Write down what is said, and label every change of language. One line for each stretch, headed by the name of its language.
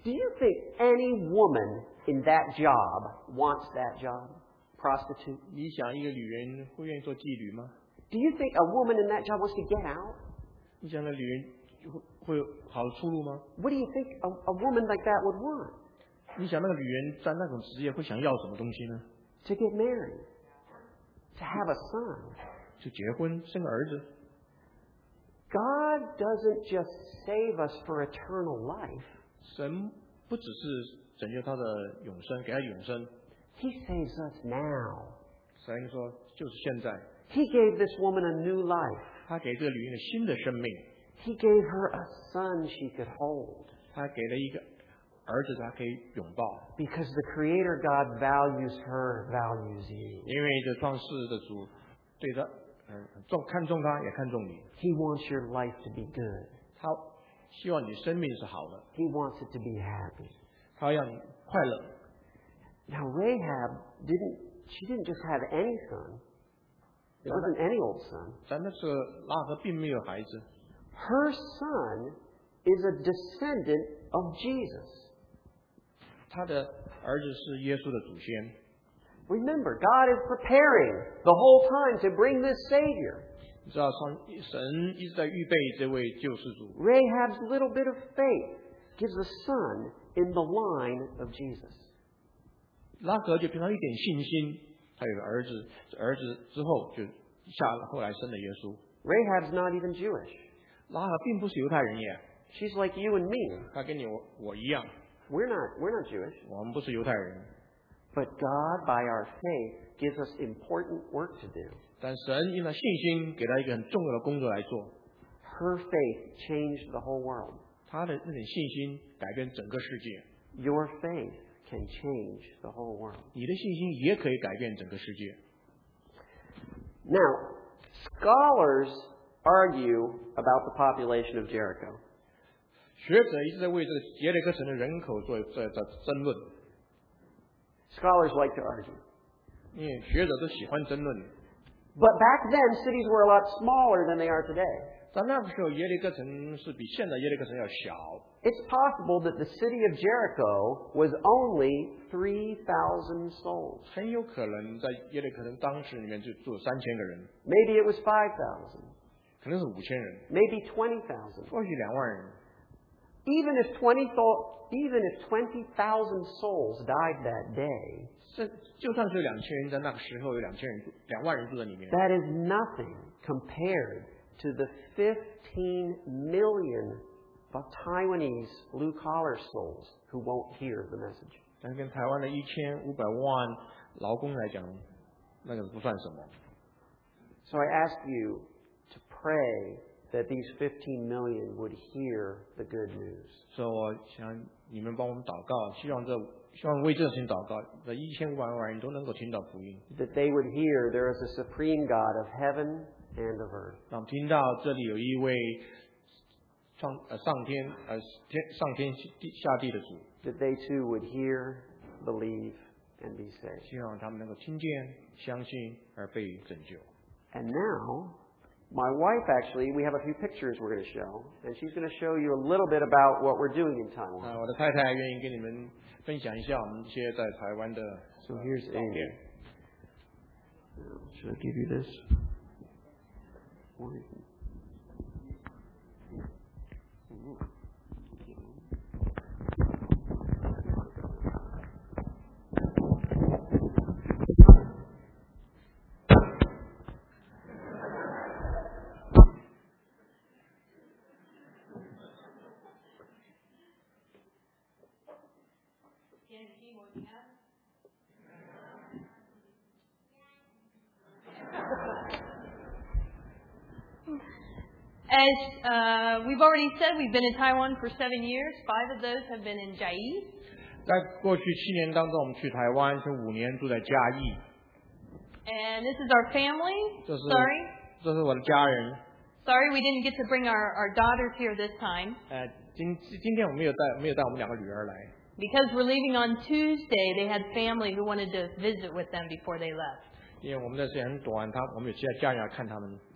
English: Do you think any woman in that job wants that job? Prostitute?
Chinese: 你想一个女人会愿意做妓女吗？
English: Do you think a woman in that job wants to get out?
Chinese: 你想那女人会有好的出路吗?
English: What do you think a woman like that would want?
Chinese: 你想那个女人在那种职业会想要什么东西呢?
English: To get married. To have a son.
Chinese: 就结婚生个儿子。
English: God doesn't just save us for eternal life.
Chinese: 神不只是拯救他的永生给他永生。
English: He saves us now.
Chinese: 神说就是现在。
English: He gave this woman a new life.
Chinese: 他给这个女人新的生命。
English: He gave her a son she could hold.
Chinese: 他给了一个儿子他可以拥抱。
English: Because the Creator God values her, values you.
Chinese: 因为这创世的主对他看重他也看重你。
English: He wants your life to be good.
Chinese: 他希望你生命是好的。
English: He wants it to be happy.
Chinese: 他要你快乐。
English: Now Rahab didn't just have any son. It wasn't any old son.
Chinese: 但那是拉合并没有孩子。
English: Her son is a descendant of Jesus.
Chinese: 他的儿子是耶稣的祖先。
English: Remember, God is preparing the whole time to bring this Savior.
Chinese: 你知道神一直在预备这位救世主。
English: Rahab's little bit of faith gives a son in the line of Jesus.
Chinese: 拉合就凭上一点信心，他有个儿子，儿子之后就下后来生了耶稣。
English: Rahab's not even Jewish.
Chinese: 拉合并不是犹太人耶。
English: She's like you and me.
Chinese: 他跟你 我一样。
English: We're not Jewish.
Chinese: 我们不是犹太人。
English: But God, by our faith, gives us important work to do.
Chinese: 但神因着信心给他一个很重要的工作来做。
English: Her faith changed the whole world.
Chinese: 他的那点信心改变整个世界。
English: Your faith can change the whole world.
Chinese: 你的信心也可以改变整个世界。
English: Now, scholars argue about the population of Jericho.
Chinese: 学者一直在为这个耶利哥城的人口做争论。
English: Scholars like to argue.
Chinese: 因为学者都喜欢争论。
English: But back then, cities were a lot smaller than they are today.
Chinese: 在那个时候，耶利哥城是比现在耶利哥城要小。
English: It's possible that the city of Jericho was only 3,000 souls.
Chinese: 很有可能在耶利哥城当时里面就住3000个人。
English: Maybe it was 5,000.
Chinese: 可能是5000人。
English: Maybe 20,000.
Chinese: 或许2万人。
English: Even if 20,000 souls died that day,
Chinese: 就算是两千人，在那个时候有两万人住在里面。
English: That is nothing compared to the 15 million Taiwanese blue collar souls who won't hear the message.
Chinese: 但跟台湾的1500万劳工来讲，那个不算什么。
English: So I ask you to pray that these 15 million would hear the good news.
Chinese: So, 想你们帮我们祷告，希望为这事情祷告，这一千五百万人都能够听到福音。
English: That they would hear there is a supreme God of heaven and of earth.
Chinese: 让我们听到这里有一位上天下地的主。
English: That they too would hear, believe, and be saved.
Chinese: 希望他们能够听见、相信而被拯救。
English: And now,my wife, actually, we have a few pictures we're going to show, and she's going to show you a little bit about what we're doing in Taiwan.
Chinese: 我的太太愿意跟你们分享一下我们一些在台湾的。
English: So here's Amy. Should I give you this? As we've already said, we've been in Taiwan for 7 years. 5 of those have been in Jia Yi.
Chinese: 在过去七年当中，我们去台湾是五年，住在嘉义。
English: And this is our family.
Chinese: 这是我的家人。
English: Sorry, we didn't get to bring our daughters here this time.
Chinese: 今天我们没有带我们两个女儿来。
English: Because we're leaving on Tuesday, they had family who wanted to visit with them before they left.
Chinese: 因为我们的时间很短，我们有其他家人要看他们。